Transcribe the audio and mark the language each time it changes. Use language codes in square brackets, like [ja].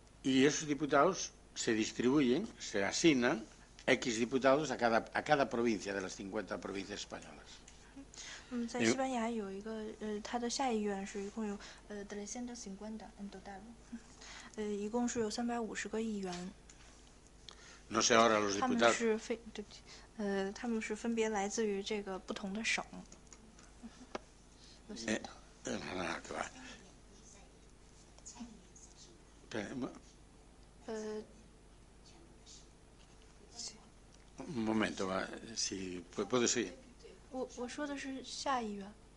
[es] Y esos diputados... se distribuyen, se asignan X diputados a cada provincia de las 50 provincias españolas. En España hay un, [zh] 它的下议院是一共有350 [es] en total. [zh] 一共是有350个亿元。 [es] No sé ahora los diputados. [zh] 他们是分别来自于这个不同的省。 [es] Un momento, va, si puedo seguir. [zh] 我说的是下议员。